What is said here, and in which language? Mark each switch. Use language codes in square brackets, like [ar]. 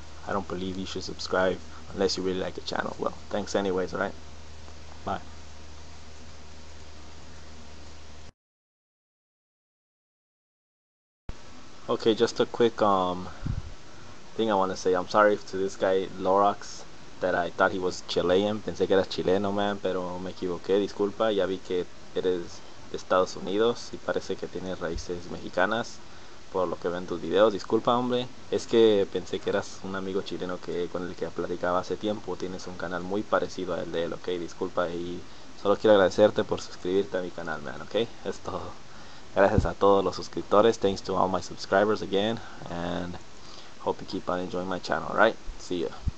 [en] I don't believe you should subscribe unless you really like the channel. Well, thanks anyways, alright? Bye. Okay, just a quick thing I want to say. I'm sorry to this guy, Lorox, that I thought he was Chilean. [es] Pensé que era chileno, man, pero me equivoqué. Disculpa, ya vi que eres de Estados Unidos y parece que tienes raíces mexicanas. Por lo que ven tus videos, disculpa, hombre. Es que pensé que eras un amigo chileno que con el que platicaba hace tiempo. Tienes un canal muy parecido al de él, ok. Disculpa, y solo quiero agradecerte por suscribirte a mi canal, man, ok. Es todo. Gracias a todos los suscriptores. [en] Thanks to all my subscribers again. And hope you keep on enjoying my channel, alright. See ya.